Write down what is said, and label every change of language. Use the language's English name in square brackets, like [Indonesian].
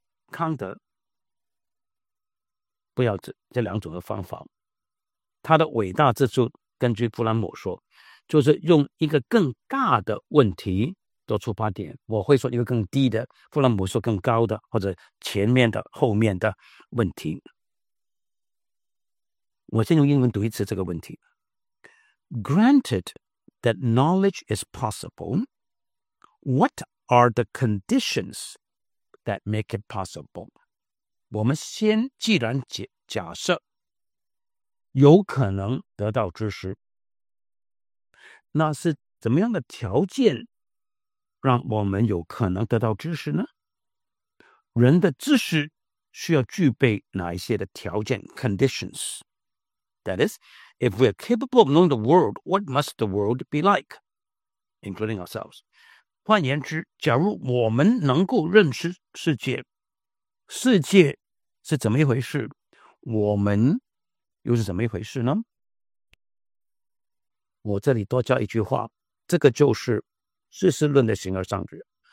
[Chinese] 康德不要这两种的方法，他的伟大之处，根据弗兰姆说，就是用一个更大的问题做出发点。我会说一个更低的，弗兰姆说更高的，或者前面的后面的问题。我先用英文读一次这个问题。 [English] Granted that knowledge is possible, what are the conditions that make it possible? [Chinese] 我们先既然假设有可能得到知识，那是怎么样的条件让我们有可能得到知识呢？人的知识需要具备哪一些的条件 conditions？ [English] That is,If we are capable of knowing the world, what must the world be like, including ourselves? [Chinese] 换言之，假如我们能够认识世界，世界是怎么一回事，我们又是怎么一回事呢？我这里多加一句话，这个就是知识论的形而上学。